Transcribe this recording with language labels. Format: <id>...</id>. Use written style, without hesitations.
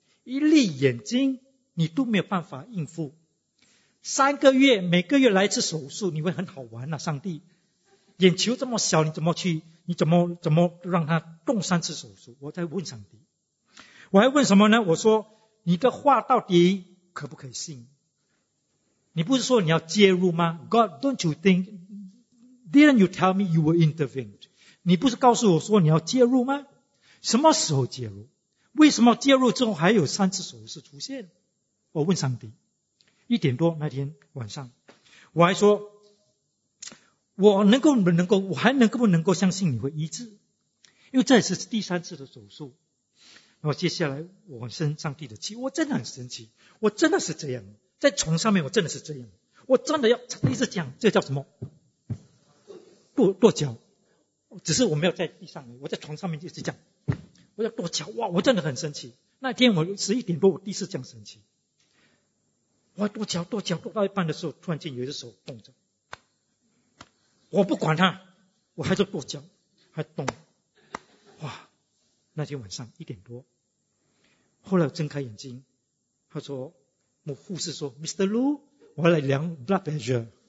<zh>一粒眼睛你都没有办法应付，3个月每个月来一次手术，你会很好玩啊，上帝，眼球这么小，你怎么让他动3次手术？我在问上帝，我还问什么呢？我说你的话到底可不可以信？你不是说你要介入吗？</zh> <en>God, don't you think? Didn't you tell me you were intervened?</en> <zh>你不是告诉我说你要介入吗？什么时候介入？为什么介入之后还有3次手术出现？我问上帝，一点多那天晚上，我还说，我还能不能够相信你会医治？因为这也是第3次的手术。然后接下来我生上帝的气，我真的很生气，我真的是这样，在床上面我真的是这样，我真的要一直讲，这叫什么？跺脚，只是我没有在地上，我在床上面一直讲，我要跺脚，哇，我真的很生气。那天我11点多，我第一次这样生气。我跺脚跺到一半的时候，突然间有一只手动着，我不管他，我还是跺脚还动。哇，那天晚上1点多，后来我睁开眼睛，他说，我护士说 Mr. Lu， 我来量 blood pressure。</zh>